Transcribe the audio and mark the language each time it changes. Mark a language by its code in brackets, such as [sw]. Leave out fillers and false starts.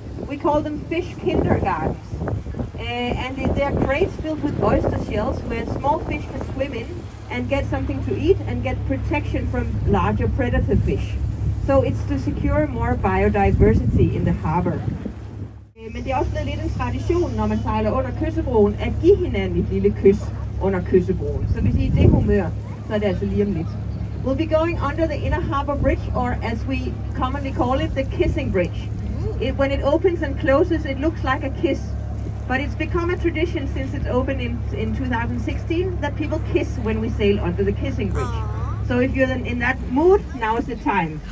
[en] We call them fish kindergartens. And they are crates filled with oyster shells where small fish can swim in and get something to eat and get protection from larger predator fish. So it's to secure more biodiversity in the harbor. [da] Men det er også blevet lidt en tradition, når man sejler under kyssebroen, at give hinanden et lille kys under kyssebroen. Så hvis I er i det humør, så er det altså lige om lidt. [en] We'll be going under the Inner Harbor Bridge, or as we commonly call it, the Kissing Bridge. It, when it opens and closes, it looks like a kiss. But it's become a tradition since it opened in 2016 that people kiss when we sail under the Kissing Bridge. Aww. So if you're in that mood, now is the time.